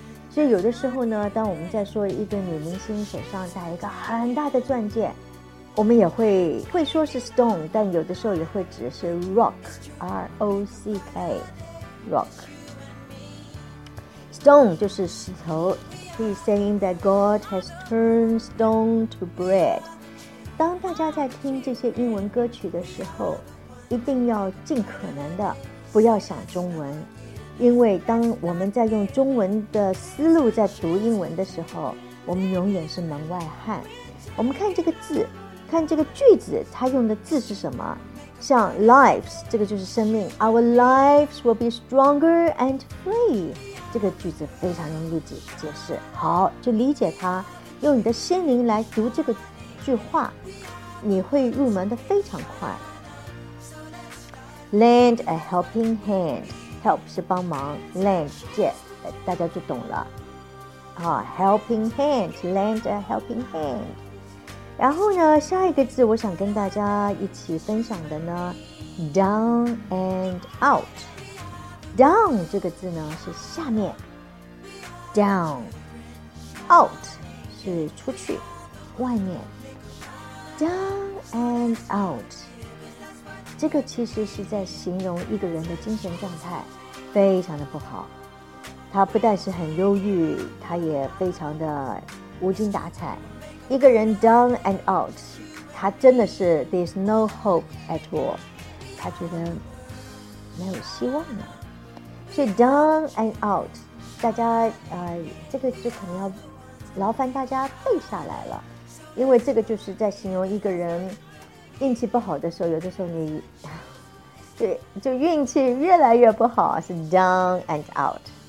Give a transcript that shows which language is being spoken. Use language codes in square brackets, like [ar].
[zh] 所以有的时候呢当我们在说一个女明星手上戴一个很大的钻戒，我们也会说是 stone, 但有的时候也会指的是 rock, R-O-C-K, rockStone 就是石头。 [en] He's saying that God has turned stone to bread. [zh] 当大家在听这些英文歌曲的时候，一定要尽可能的不要想中文，因为当我们在用中文的思路在读英文的时候，我们永远是门外汉。我们看这个字，看这个句子，它用的字是什么？像 lives, 这个就是生命。 [en] Our lives will be stronger and free. [zh] 这个句子非常容易解释，好，就理解它，用你的心灵来读这个句话，你会入门的非常快。 [en] Lend a helping hand, [zh] help 是帮忙 ，lend 借，大家就懂了。好 [en] ，helping hand, lend a helping hand。 [zh] 然后呢，下一个字我想跟大家一起分享的呢 ，down and out。 Down 这个字呢是下面 Down Out 是出去外面 Down and out 这个其实是在形容一个人的精神状态非常的不好，他不但是很忧郁，他也非常的无精打采。一个人 Down and out 他真的是 [en] There's no hope at all, [zh] 他觉得没有希望了。是 down and out, 大家这个就可能要劳烦大家背下来了，因为这个就是在形容一个人运气不好的时候，有的时候你就运气越来越不好，是 down and out。